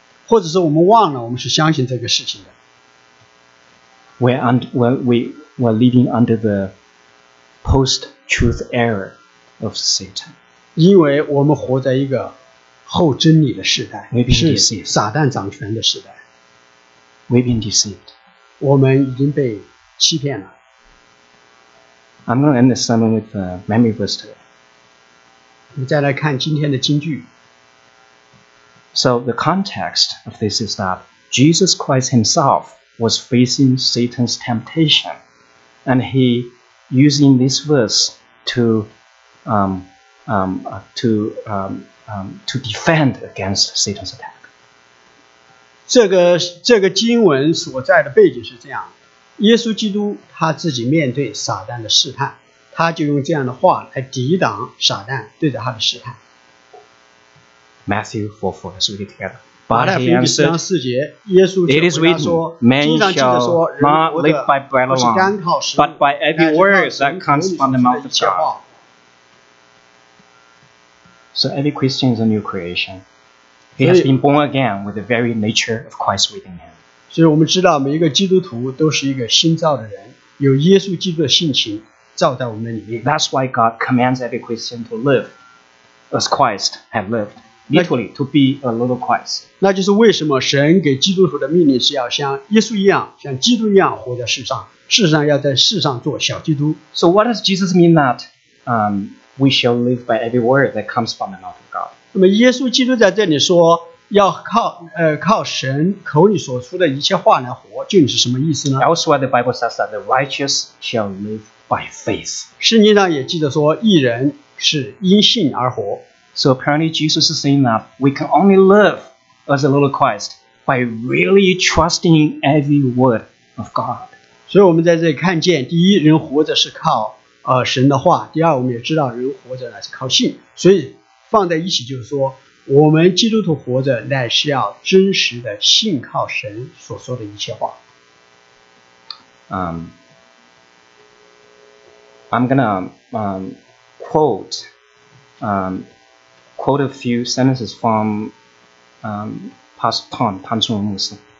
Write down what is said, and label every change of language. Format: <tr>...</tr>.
<zh>或者说我们忘了, 我们是相信这个事情的。</zh> <en>We're living under the post-truth era of Satan.</en> <zh>因为我们活在一个后真理的时代,</zh> <en>We've been deceived. We've been deceived.</en> <zh>我们已经被欺骗了。</zh> <en>I'm going to end the sermon with a memory verse today.</en> <zh>我们再来看今天的金句。</zh> <en>So the context of this is that Jesus Christ himself was facing Satan's temptation, and he using this verse to defend against Satan's attack.</en> <zh>这个经文所在的背景是这样，耶稣基督他自己面对撒旦的试探，他就用这样的话来抵挡撒旦对着他的试探。</zh> <en>Matthew 4:4, let's read it together. But he answered, it is written, man shall not live by bread alone, but by every word that comes from the mouth of God. So every Christian is a new creation. He has been born again with the very nature of Christ within him.</en> <zh>所以我们知道每一个基督徒都是一个新造的人，有耶稣基督的性情造在我们里面。</zh> <en>That's why God commands every Christian to live as Christ had lived, literally to be a little Christ.</en> <zh>那就是为什么神给基督徒的命令是要像耶稣一样，像基督一样活在世上，事实上要在世上做小基督。</zh> <en>So what does Jesus mean that we shall live by every word that comes from the mouth of God?</en> <zh>那么耶稣基督在这里说要靠神口里所出的一切话来活，究竟是什么意思呢？</zh> <en>Elsewhere the Bible says that the righteous shall live by faith.</en> <zh>圣经上也记得说义人是因信而活。</zh> <en>So apparently Jesus is saying that we can only live as a little Christ by really trusting every word of God.</en> <zh>所以我们在这里看见，第一，人活着是靠神的话；第二，我们也知道人活着乃是靠信。所以放在一起就是说，我们基督徒活着乃是要真实的信靠神所说的一切话。 I'm gonna quote a few sentences from Pastor Tom, 汤顺文牧师。</zh>